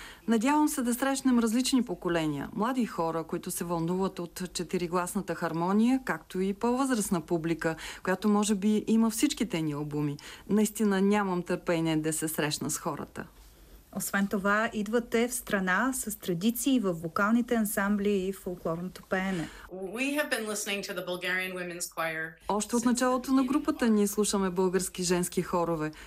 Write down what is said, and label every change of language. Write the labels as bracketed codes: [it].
[bg] Надявам се да срещнем различни поколения, млади хора, които се вълнуват от четиригласната хармония, както и по-възрастна публика, която може би има всичките ни албуми. Наистина нямам търпение да се срещна с хората. Освен това, идвате в страна с традиции в вокалните ансамбли и фолклорното пеене. [en] We have been listening to the Bulgarian women's choir. [bg] Още от началото на групата ние слушаме български женски хорове.